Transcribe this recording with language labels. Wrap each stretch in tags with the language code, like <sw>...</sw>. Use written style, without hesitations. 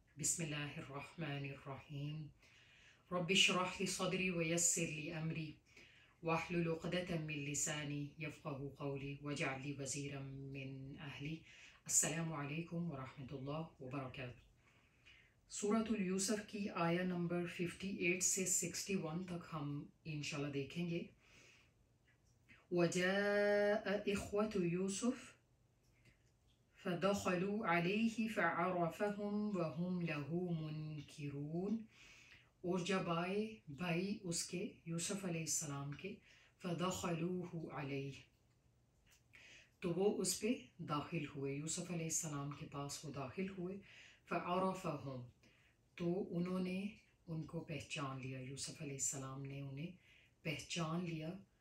<ar>بسم الله الرحمن الرحيم. رب اشرح لي صدري ويسر لي أمري واحلل عقدة من لساني يفقه قولي واجعل لي وزيرا من أهلي. السلام عليكم ورحمة الله وبركاته.</ar> <ur>سورة اليوسف کی آية نمبر 58 سے 61 تک ہم انشاءاللہ دیکھیں گے.</ur> <ar>وجاء إخوة يوسف فدخلوا عليه فعرفهم وهم له منكرون.</ar> <ur>اور جب آئے بھائی اس کے یوسف علیہ السلام کے</ur> <ar>فدخلوه عليه</ar> <ur>تو وہ اس پہ داخل ہوئے، یوسف علیہ السلام کے پاس وہ داخل ہوئے. فعرفهم تو انہوں نے ان کو پہچان لیا، یوسف علیہ السلام نے انہیں پہچان لیا.</ur>